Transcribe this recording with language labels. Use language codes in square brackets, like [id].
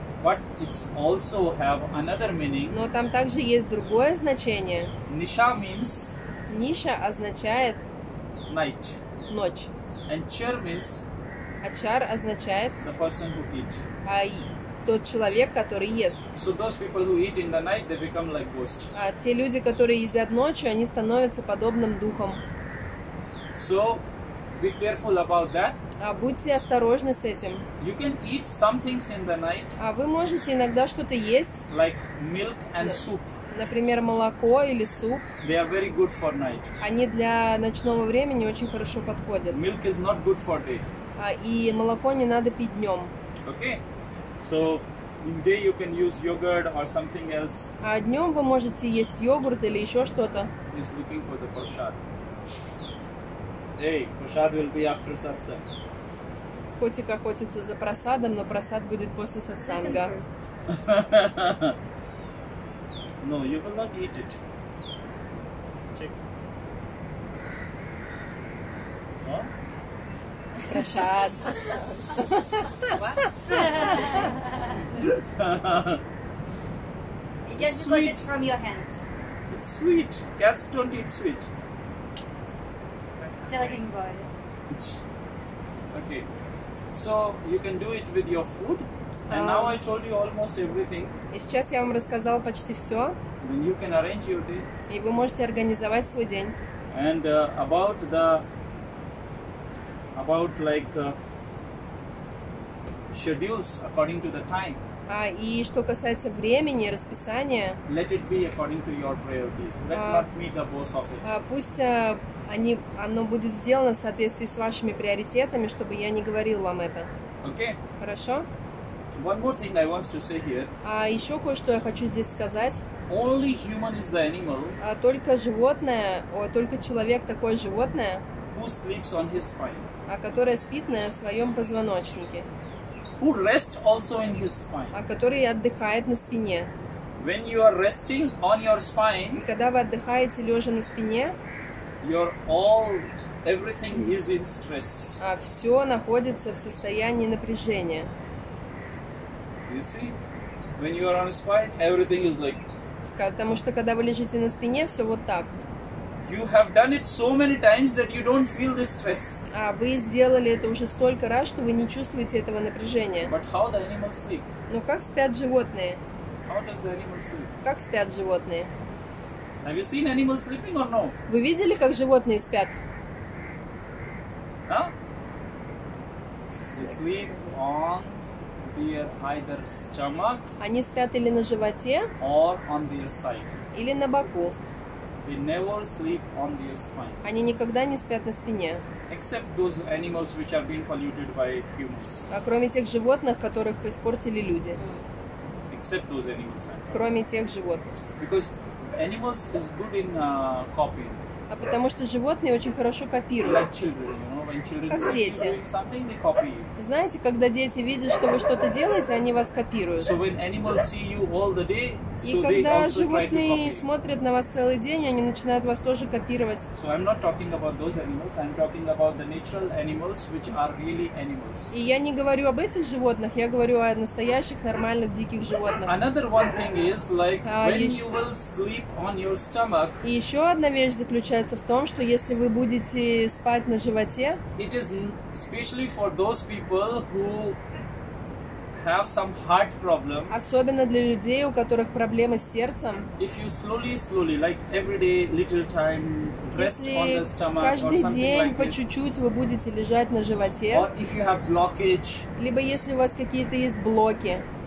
[en] But it's also have another meaning. [ru] Но там также есть другое значение. [en] Nisha means. [ru] Ниша означает [en] night. [ru] Ночь. [en] And char means. [ru] Ачар означает [en] the person who eats. [ru] А тот человек, который ест. [en] So those people who eat in the night, they become like ghosts. [ru] А те люди, которые едят ночью, они становятся подобным духом. [en] So be careful about that. [ru] А будьте осторожны с этим. [en] You can eat some things in the night. [ru] А вы можете иногда что-то есть. [en] Like milk and soup. [ru] Например, молоко или суп. [en] They are very good for night. [ru] Они для ночного времени очень хорошо подходят. [en] Milk is not good for day. [ru] А и молоко не надо пить днем. [en] Okay. So in day you can use yogurt or something else. [ru] А днем вы можете есть йогурт или еще что-то. [en] He's looking for the prasad. Hey, prasad will be after satsang. [ru] Котик охотится за прасадом, но прасад будет после сатсанга. [en] No, you will not eat it. Check. Huh? Prashad. What? It just sweet. Because it's from your hands. It's sweet. Cats don't eat sweet. Tell him about it. Okay. So, you can do it with your food. And now I told you almost everything. [ru] И сейчас я вам рассказал почти все. [en] Then you can arrange your day. [ru] И вы можете организовать свой день. [en] And about schedules according to the time. [ru] И что касается времени, расписания. [en] Let it be according to your priorities. Let not me the boss of it. [ru] Пусть оно будет сделано в соответствии с вашими приоритетами, чтобы я не говорил вам это. [en] Okay. [ru] Хорошо? [en] One more thing I want to say here. [ru] А еще кое-что я хочу здесь сказать. [en] Only human is the animal. [ru] А только животное, только человек такое животное. [en] Who sleeps on his spine? [ru] А которое спит на своем позвоночнике. [en] Who rests also in his spine? [ru] А который отдыхает на спине. [en] When you are resting on your spine. [ru] Когда вы отдыхаете лежа на спине. [en] Everything is in stress. [ru] А все находится в состоянии напряжения. [en] You see, when you are on a spine, everything is like. [ru] Потому что когда вы лежите на спине, все вот так. [en] You have done it so many times that you don't feel the stress. [ru] А вы сделали это уже столько раз, что вы не чувствуете этого напряжения. [en] But how the animals sleep? [ru] Но как спят животные? [en] How does the animal sleep? [ru] Как спят животные? [en] Have you seen animals sleeping or no? [ru] Вы видели, как животные спят? [en] Huh? They sleep on. Either stomach, [ru] они спят или на животе, [en] or on their side. [ru] Или на боку. [en] They never sleep on their spine. [ru] Они никогда не спят на спине. [en] Except those animals which are being polluted by humans. [ru] А кроме тех животных, которых испортили люди. [en] Except those animals. [ru] Кроме тех животных. [en] Because animals is good in copying. [ru] А потому что животные очень хорошо копируют. [en] Like children, you know, when children [ru] как дети. [en] Something, they copy. [ru] Знаете, когда дети видят, что вы что-то делаете, они вас копируют. [en] So when animals see you all the day, [ru] и [en] so [ru] когда [en] they also [ru] животные [en] try to copy. [ru] Смотрят на вас целый день, они начинают вас тоже копировать. [en] So I'm not talking about those animals, I'm talking about the natural animals, which are really animals. [ru] И я не говорю об этих животных, я говорю о настоящих, нормальных, диких животных. [en] Another one thing is, like, when you will sleep on your stomach, [ru] и еще одна вещь заключается в том, что если вы будете спать на животе, [en] it is especially for those people who have some heart problem, [ru] особенно для людей, у которых проблемы с сердцем, [en] if you slowly, like every day, little time, rest on the stomach, [ru] каждый [en] or [ru] день [en] like [ru] по [en] this, [ru] чуть-чуть вы будете лежать на животе, [en] or if you have blockage, [ru] либо если у вас какие-то есть блоки,